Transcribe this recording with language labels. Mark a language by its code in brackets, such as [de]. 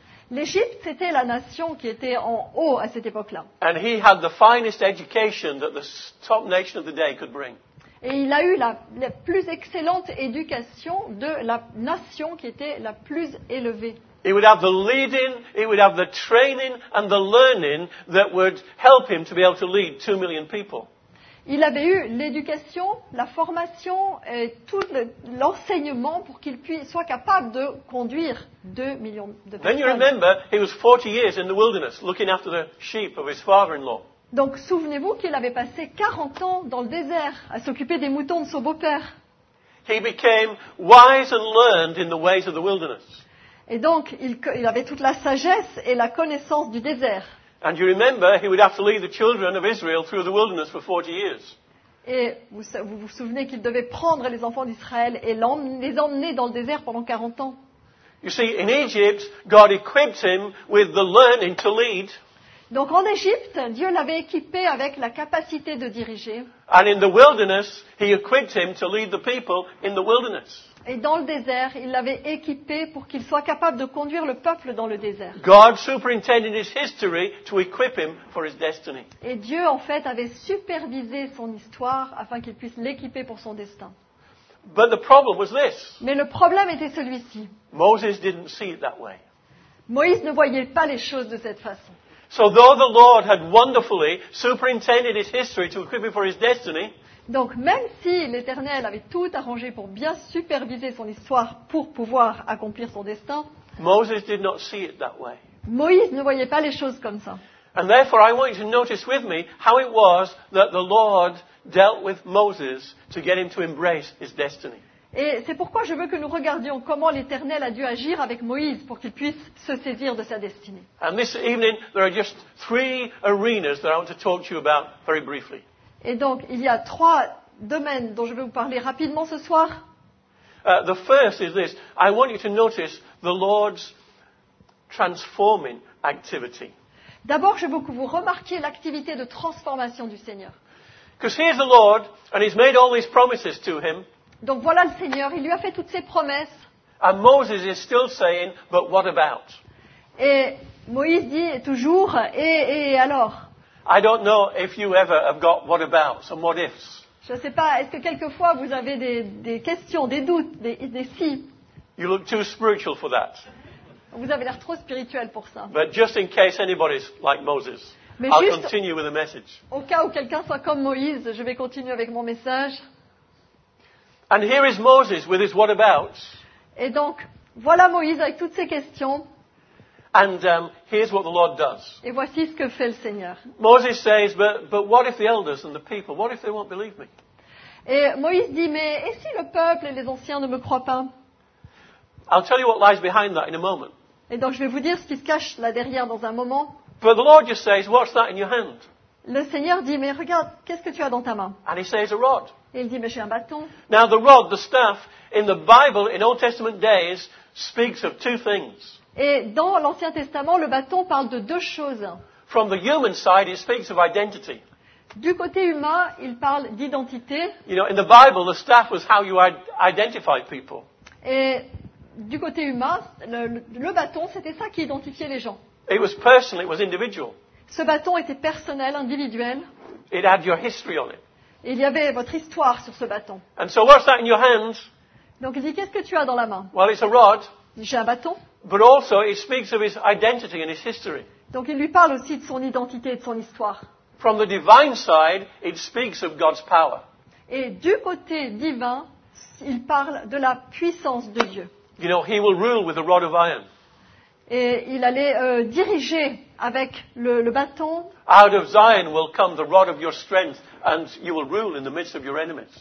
[fr] L'Égypte, c'était la nation qui était en haut à cette époque-là. [en] And he had the finest education that the top nation of the day could bring. [fr] Et il a eu la plus excellente éducation de la nation qui était la plus élevée. [en] He would have the leading, he would have the training and the learning that would help him to be able to lead 2 million people. [fr] Il avait eu l'éducation, la formation et tout l'enseignement pour qu'il soit capable de conduire 2 millions de personnes. [en] Then you remember he was 40 years in the wilderness looking after the sheep of his father-in-law. [fr] Donc souvenez-vous qu'il avait passé 40 ans dans le désert à s'occuper des moutons de son beau-père. [en] He became wise and learned in the ways of the wilderness. [fr] Et donc il avait toute la sagesse et la connaissance du désert. [en] And you remember he would have to lead the children of Israel through the wilderness for 40 years. [fr] Et vous vous souvenez qu'il devait prendre les enfants d'Israël et les emmener dans le désert pendant 40 ans. [en] You see, in Egypt, God equipped him with the learning to lead. [fr] Donc en Égypte, Dieu l'avait équipé avec la capacité de diriger. [en] And in the wilderness, he equipped him to lead the people in the wilderness. [fr] Et dans le désert, il l'avait équipé pour qu'il soit capable de conduire le peuple dans le désert. [en] God superintended his history to equip him for his destiny. [fr] Et Dieu, en fait, avait supervisé son histoire afin qu'il puisse l'équiper pour son destin. [en] But the problem was this. [fr] Mais le problème était celui-ci. [en] Moses didn't see it that way. [fr] Moïse ne voyait pas les choses de cette façon. [en] So though the Lord had wonderfully superintended his history to equip him for his destiny, [fr] donc, même si l'Éternel avait tout arrangé pour bien superviser son histoire pour pouvoir accomplir son destin, [en] Moses did not see it that way. [fr] Moïse ne voyait pas les choses comme ça. [en] And therefore, I want you to notice with me how it was that the Lord dealt with Moses to get him to embrace his destiny. [fr] Et c'est pourquoi je veux que nous regardions comment l'Éternel a dû agir avec Moïse pour qu'il puisse se saisir de sa destinée. [en] And this evening, there are just three arenas that I want to talk to you about very briefly. [fr] Et donc, il y a trois domaines dont je vais vous parler rapidement ce soir. [en] The first is this. I want you to notice the Lord's transforming activity. [fr] D'abord, je veux que vous remarquiez l'activité de transformation du Seigneur. [en] Because he is the Lord, and he's made all these promises to him. [fr] Donc voilà le Seigneur, il lui a fait toutes ses promesses. [en] And Moses is still saying, but what about? [fr] Et Moïse dit toujours, et alors? [en] I don't know if you ever have got what abouts and what ifs. [fr] Je ne sais pas, est-ce que quelquefois vous avez des questions, des doutes, des si? [en] You look too spiritual for that. [fr] Vous avez l'air trop spirituel pour ça. [en] But just in case anybody's like Moses, [fr] mais [en] I'll continue with the message. [fr] Au cas où quelqu'un soit comme Moïse, je vais continuer avec mon message. [en] And here is Moses with his what abouts. [fr] Et donc, voilà Moïse avec toutes ses questions. [en] And here's what the Lord does. [fr] Et voici ce que fait le Seigneur. [en] Moses says, but what if the elders and the people, what if they won't believe me? [fr] Et Moïse dit, mais et si le peuple et les anciens ne me croient pas? [en] I'll tell you what lies behind that in a moment. [fr] Et donc je vais vous dire ce qui se cache là derrière dans un moment. [en] But the Lord just says, what's that in your hand? [fr] Le Seigneur dit, mais regarde, qu'est-ce que tu as dans ta main? [en] And he says, a rod. [fr] Et il dit, mais j'ai un bâton. [en] Now the rod, the staff, in the Bible, in Old Testament days, speaks of two things. [fr] Et dans l'Ancien Testament, le bâton parle de deux choses. [en] From the human side, it speaks of identity. [fr] Du côté humain, il parle d'identité. [en] You know, in the Bible, the staff was how you identified people. [fr] Et du côté humain, le bâton, c'était ça qui identifiait les gens. [en] It was personal, it was individual. [fr] Ce bâton était personnel, individuel. [en] It had your history on it. [fr] Il y avait votre histoire sur ce bâton. [en] And so what's that in your hands? [fr] Donc il dit, qu'est-ce que tu as dans la main? [en] Well, it's a rod. [fr] J'ai un bâton. [en] But also, it speaks of his identity and his history. [fr] Donc il lui parle aussi de son identité et de son histoire. [en] From the divine side, it speaks of God's power. [fr] Et du côté divin, il parle de la puissance de Dieu. [en] You know, he will rule with a rod of iron. [fr] Et il allait diriger avec le bâton. [en] Out of Zion will come the rod of your strength, and you will rule in the midst of your enemies.